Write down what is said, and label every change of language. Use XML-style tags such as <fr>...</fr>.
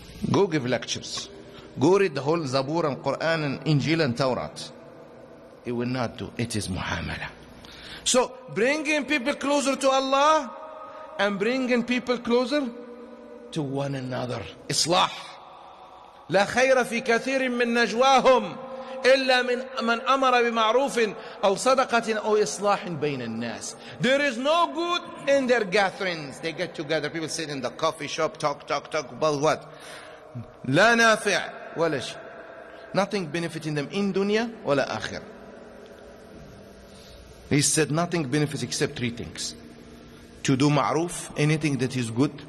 <en>Go give lectures. Go read the whole Zabur and Quran and Injil and Taurat. It will not do. It is muamala. So, bringing people closer to Allah and bringing people closer to one another. Islah.</en> <ar>لا خير في كثير من نجواهم إلا من أمر بمعروف أو صدقة أو إصلاح بين الناس.</ar> <en>There is no good in their gatherings. They get together. People sit in the coffee shop, talk about what?</en> <ar>لا نافع ولا شيء.</ar> <en>Nothing benefiting them in dunya</en> <ar>ولا آخر.</ar> <en>He said nothing benefits except three things. To do ma'ruf, anything that is good.</en>